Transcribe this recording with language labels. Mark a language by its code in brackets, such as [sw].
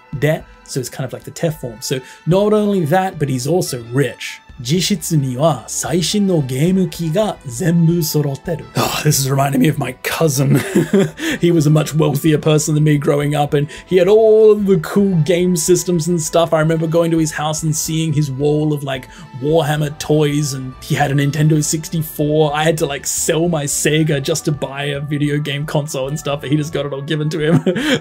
[en] で、so it's kind of like the te form. So, not only that, but he's also rich. [ja] 実質には最新のゲーム機が全部揃ってる。 [en] Oh, this is reminding me of my cousin. He was a much wealthier person than me growing up, and he had all of the cool game systems and stuff. I remember going to his house and seeing his wall of like Warhammer toys, and he had a Nintendo 64. I had to like sell my Sega just to buy a video game console and stuff, and he just got it all given to him.